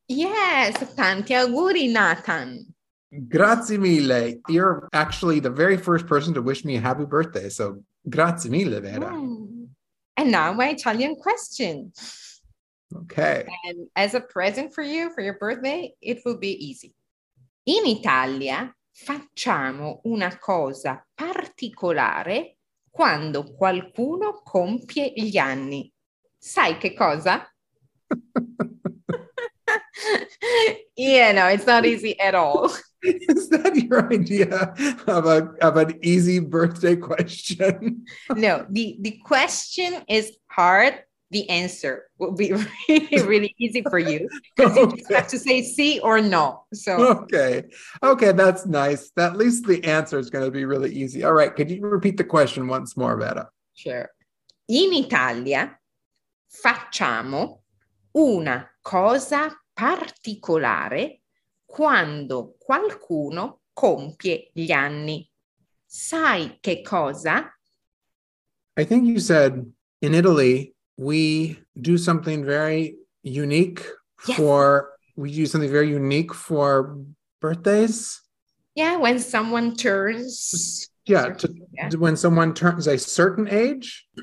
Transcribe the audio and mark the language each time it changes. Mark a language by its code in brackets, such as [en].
[it] Yes, tanti auguri, Nathan. Grazie mille. [en] You're actually the very first person to wish me a happy birthday, so [it] grazie mille, [en] Vera. Mm. And now my Italian question. Okay. And as a present for you, for your birthday, it will be easy. [it] In Italia, facciamo una cosa particolare quando qualcuno compie gli anni. Sai che cosa? [en] Yeah, no, it's not easy at all. Is that your idea of an easy birthday question? No, the question is hard. the answer will be really easy for you because you just have to say C or no. So, Okay, that's nice. At least the answer is going to be really easy. All right, could you repeat the question once more, Veta? sure. [it] In Italia facciamo una cosa particolare quando qualcuno compie gli anni. Sai che cosa? [en] I think you said in Italy, we do something very unique for, we do something very unique for birthdays. Yeah, when someone turns Yeah, certain, yeah. when someone turns a certain age,